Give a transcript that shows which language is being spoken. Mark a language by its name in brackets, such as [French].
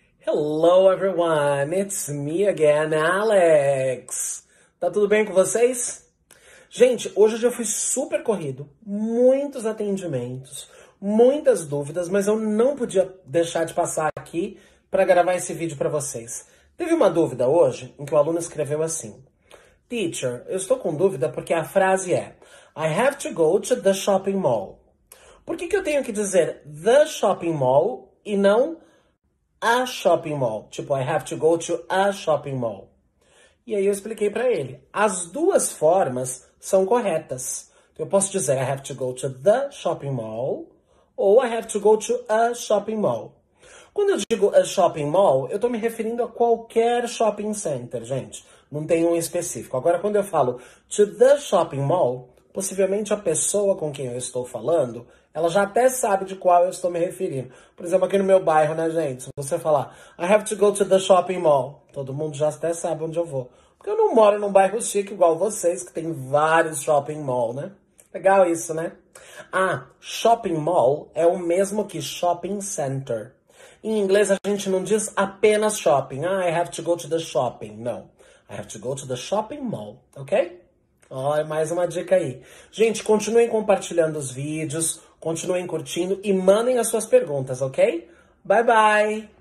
[English] Hello everyone, it's me again, Alex. [Portuguese] Tá tudo bem com vocês? Gente, hoje eu já fui super corrido, muitos atendimentos, muitas dúvidas, mas eu não podia deixar de passar aqui para gravar esse vídeo para vocês. Teve uma dúvida hoje em que o aluno escreveu assim: Teacher, eu estou com dúvida porque a frase é [English] I have to go to the shopping mall. [Portuguese] Por que que eu tenho que dizer [English] the shopping mall [Portuguese] e não [English] a shopping mall, [Portuguese] tipo, [English] I have to go to a shopping mall. [Portuguese] E aí eu expliquei para ele. As duas formas são corretas. Eu posso dizer [English] I have to go to the shopping mall [Portuguese] ou [English] I have to go to a shopping mall. [Portuguese] Quando eu digo [English] a shopping mall, [Portuguese] eu tô me referindo a qualquer shopping center, gente. Não tem um específico. Agora, quando eu falo [English] to the shopping mall, [Portuguese] possivelmente a pessoa com quem eu estou falando, ela já até sabe de qual eu estou me referindo. Por exemplo, aqui no meu bairro, né, gente? Se você falar, [English] I have to go to the shopping mall, [Portuguese] todo mundo já até sabe onde eu vou. Porque eu não moro num bairro chique igual vocês, que tem vários shopping mall, né? Legal isso, né? Ah, shopping mall é o mesmo que shopping center. Em inglês, a gente não diz apenas shopping. [English] Ah, I have to go to the shopping. [Portuguese] Não. [English] I have to go to the shopping mall, ok? [Portuguese] Olha, mais uma dica aí. Gente, continuem compartilhando os vídeos, continuem curtindo e mandem as suas perguntas, ok? [English] Bye bye!